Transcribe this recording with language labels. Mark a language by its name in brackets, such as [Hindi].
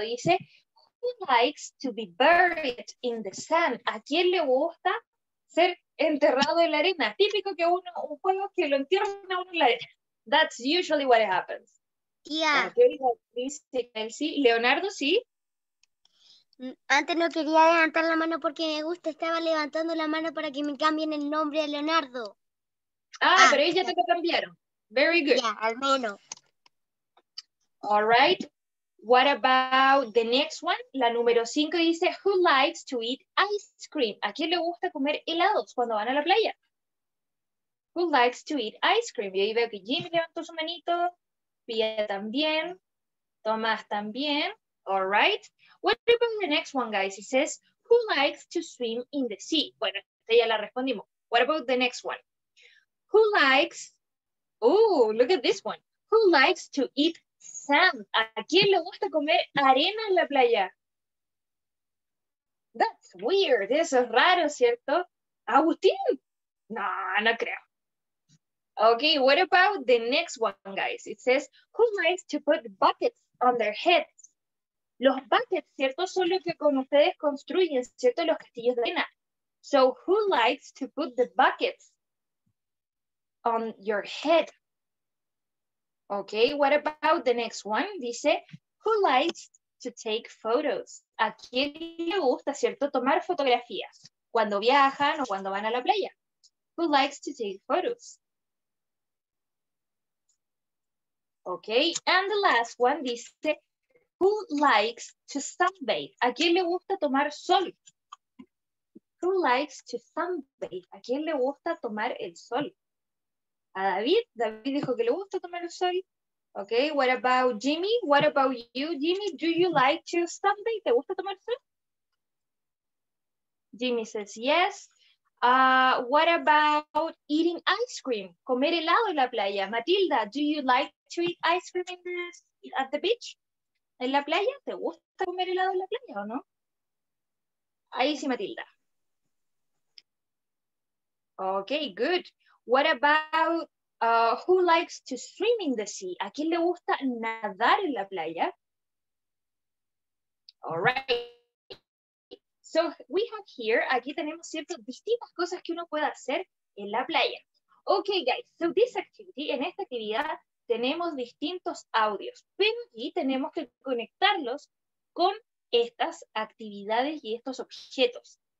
[English] Dice, who likes to be buried in the sand? [Spanish] ¿A quién le gusta ser enterrado en la arena? Típico que uno, un juego que lo entierran a uno en la arena. [English] That's usually what happens. Yeah. [Spanish] Okay. Leonardo, ¿sí? Antes no quería levantar la mano porque me gusta. Estaba levantando la mano para que me cambien el nombre a Leonardo. Ah, pero ahí ya te cambiaron. [English] Very good. [Spanish] Yeah, al menos. [English] All right. What about the next one? [Spanish] La número 5 dice, [English] who likes to eat ice cream? [Spanish] ¿A quién le gusta comer helados cuando van a la playa? [English] Who likes to eat ice cream? [Spanish] Y ahí veo que Jimmy levantó su manito, Pia también, Tomás también. [English] All right. What about the next one, guys? It says, who likes to swim in the sea? [Spanish] Bueno, esta ya la respondimos. [English] What about the next one? Who likes, oh, look at this one. Who likes to eat sand? [Spanish] ¿A quién le gusta comer arena en la playa? [English] That's weird. [Spanish] Eso es raro, ¿cierto? Agustín. No, no creo. [English] Okay, what about the next one, guys? It says, who likes to put buckets on their heads? [Spanish] Los buckets, ¿cierto? Son los que con ustedes construyen, ¿cierto? Los castillos de arena. [English] So, who likes to put the buckets on your head? Ok, what about the next one? Dice, who likes to take photos? [Spanish] ¿A quién le gusta, cierto, tomar fotografías cuando viajan o cuando van a la playa? [English] Who likes to take photos? Ok, and the last one dice, who likes to sunbathe? [Spanish] ¿A quién le gusta tomar sol? [English] Who likes to sunbathe? [Spanish] ¿A quién le gusta tomar el sol? A David, David dijo que le gusta tomar el sol. [English] Ok, what about Jimmy? What about you, Jimmy? Do you like to sunbathe? [Spanish] ¿Te gusta tomar el sol? [English] Jimmy says yes. What about eating ice cream? [Spanish] Comer helado en la playa. [English] Matilda, do you like to eat ice cream in this, at the beach? [Spanish] ¿En la playa? ¿Te gusta comer helado en la playa o no? Ahí sí, Matilda. [English] Ok, good. What about who likes to swim in the sea? [Spanish] ¿A quién le gusta nadar en la playa? [English] All right. So we have here, [Spanish] aquí tenemos ciertas distintas cosas que uno puede hacer en la playa. [English] Okay, guys. So this activity, [Spanish] en esta actividad tenemos distintos audios, pero aquí tenemos que conectarlos con estas actividades y estos objetos.